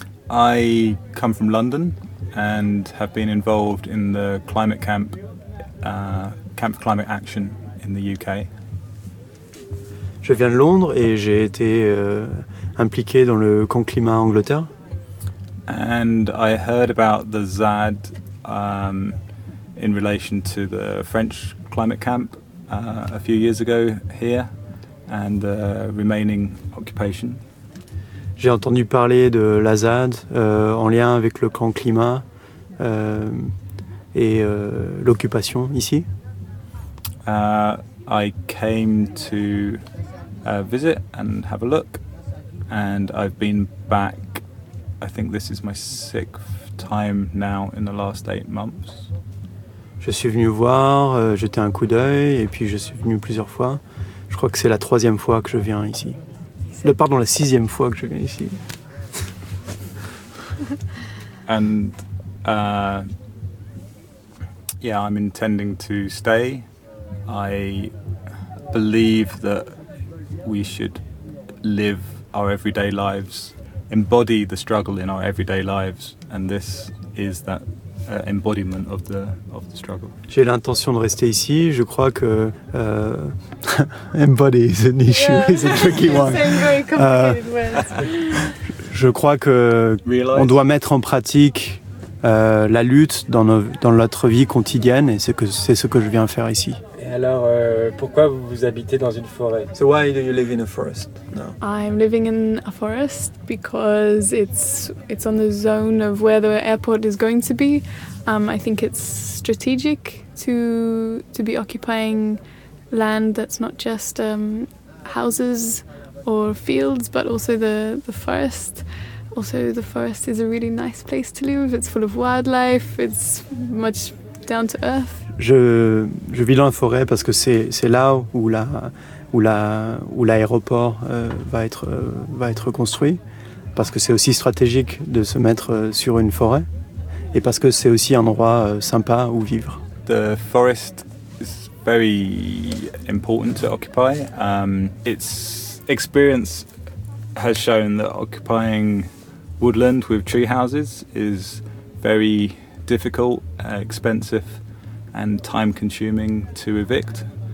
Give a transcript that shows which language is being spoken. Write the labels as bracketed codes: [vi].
[en] I come from London and have been involved in the climate camp, Camp for Climate Action in the UK. [fr] Je viens de Londres et j'ai été impliqué dans le camp climat en Angleterre. [en] And I heard about the ZAD in relation to the French climate camp a few years ago here and the remaining occupation. [fr] J'ai entendu parler de la ZAD en lien avec le camp climat et l'occupation ici. [en] I came to visit and have a look, and I've been back. I think this is my 6th time now in the last 8 months. [fr] Je suis venu voir, jeter un coup d'œil, et puis je suis venu plusieurs fois. Je crois que c'est la 3e fois que je viens ici. La 6e fois que je viens ici. [en] And yeah, I'm intending to stay. I believe that we should live our everyday lives, embody the struggle in our everyday lives, and this is that embodiment of the struggle. [fr] J'ai l'intention de rester ici. Je crois que [en] embody is an issue. Yeah. It's a tricky one. Same, very complicated words. [fr] Je crois que [en] Realize. [fr] On doit mettre en pratique la lutte dans notre vie quotidienne, et c'est ce que je viens faire ici. Et alors, pourquoi vous habitez dans une forêt? [en] So why do you live in a forest? No. I'm living in a forest because it's on the zone of where the airport is going to be. I think it's strategic to be occupying land that's not just houses or fields, but also the forest. Also, the forest is a really nice place to live. It's full of wildlife. It's much down to earth. [fr] Je vis dans la forêt parce que c'est là où l'aéroport va être construit, parce que c'est aussi stratégique de se mettre sur une forêt, et parce que c'est aussi un endroit sympa où vivre. [en] The forest is very important to occupy. Its experience has shown that occupying woodland with tree houses is very difficult, expensive, and time-consuming to evict.